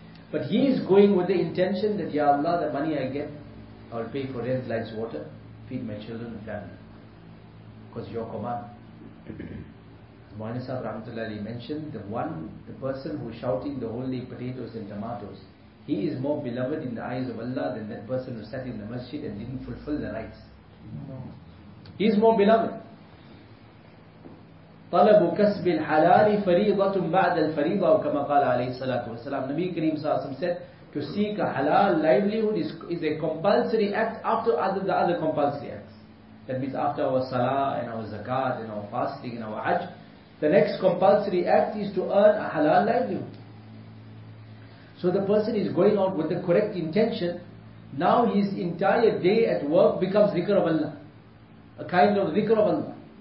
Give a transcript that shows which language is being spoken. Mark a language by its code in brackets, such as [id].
[en] But he is going with the intention that, Ya Allah, the money I get, I will pay for rent, lights, water, feed my children and family. Because your command. Maulana Sahib Rahmatullahi mentioned the person who is shouting the whole day potatoes and tomatoes, he is more beloved in the eyes of Allah than that person who sat in the masjid and didn't fulfill the rites. He is more beloved. [ar] طلب كسب الحلال فريضة بعد الفريضة كما قال عليه الصلاة والسلام. [en] Nabi Kareem Sallallahu Alaihi Wasallam said, to seek a halal livelihood is a compulsory act after other, the other compulsory acts. That means after our salah and our zakat and our fasting and our hajj, the next compulsory act is to earn a halal livelihood. So the person is going out with the correct intention. Now his entire day at work becomes dhikr of Allah, a kind of dhikr of Allah.